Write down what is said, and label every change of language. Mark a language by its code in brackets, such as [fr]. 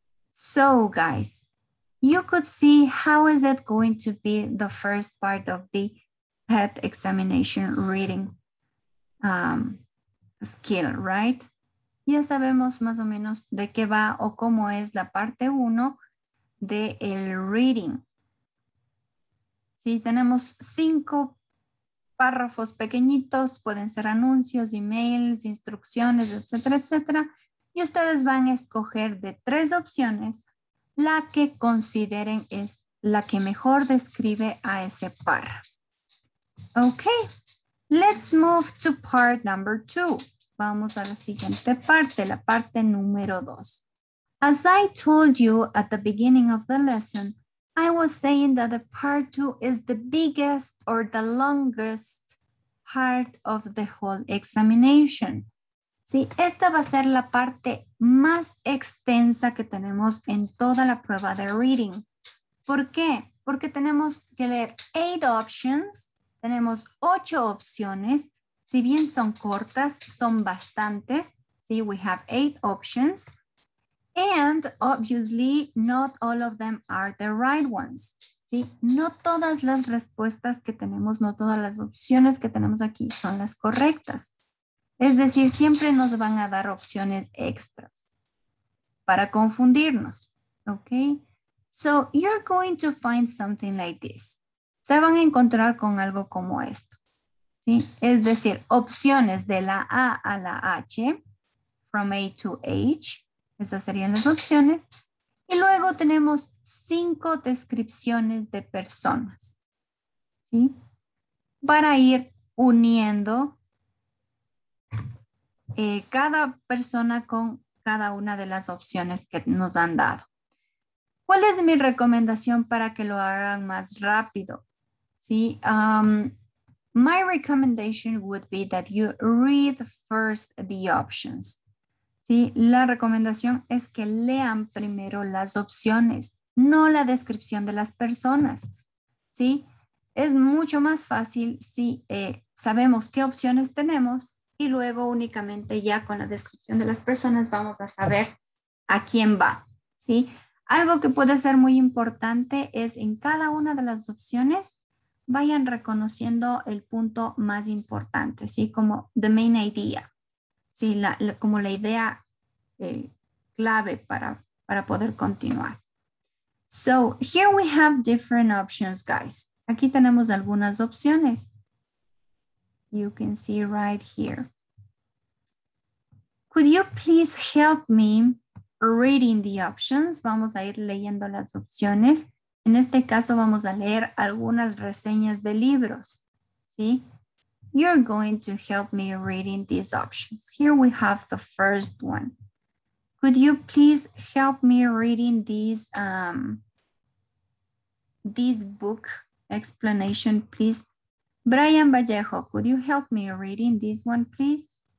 [en] So, guys, you could see how is it going to be the first part of the PET examination reading skill, right? [es] Ya sabemos más o menos de qué va o cómo es la parte 1 de el reading. Sí, tenemos 5 párrafos pequeñitos, pueden ser anuncios, emails, instrucciones, etcétera, etcétera. Y ustedes van a escoger de 3 opciones la que consideren es la que mejor describe a ese par. [en] Okay, let's move to part number 2. [es] Vamos a la siguiente parte, la parte número 2. [en] As I told you at the beginning of the lesson, I was saying that the part 2 is the biggest or the longest part of the whole examination. [es] Sí, esta va a ser la parte más extensa que tenemos en toda la prueba de reading. ¿Por qué? Porque tenemos que leer 8 options, tenemos 8 opciones, si bien son cortas, son bastantes. [en] Sí, we have 8 options. And obviously, not all of them are the right ones. [es] Sí, no todas las respuestas que tenemos, no todas las opciones que tenemos aquí son las correctas. Es decir, siempre nos van a dar opciones extras para confundirnos. [en] Okay? So you're going to find something like this. [es] Se van a encontrar con algo como esto. ¿Sí? Es decir, opciones de la A a la H, [en] from A to H. [es] Esas serían las opciones. Y luego tenemos 5 descripciones de personas. ¿Sí? Para ir uniendo cada persona con cada una de las opciones que nos han dado. ¿Cuál es mi recomendación para que lo hagan más rápido? ¿Sí? [en] My recommendation would be that you read first the options. [es] ¿Sí? La recomendación es que lean primero las opciones, no la descripción de las personas. ¿sí? Es mucho más fácil si sabemos qué opciones tenemos y luego únicamente ya con la descripción de las personas vamos a saber a quién va, ¿sí? Algo que puede ser muy importante es en cada una de las opciones vayan reconociendo el punto más importante, ¿sí? Como [en] the main idea, [es] ¿sí? Como la idea clave para poder continuar. [en] So, here we have different options, guys. [es] Aquí tenemos algunas opciones. [en] You can see right here. Could you please help me reading the options? [es] Vamos a ir leyendo las opciones. En este caso vamos a leer algunas reseñas de libros. ¿Sí? [en] You're going to help me reading these options. Here we have the first one. Could you please help me reading these, this book? Explanation, please. Brian Vallejo, could you help me reading this one, please?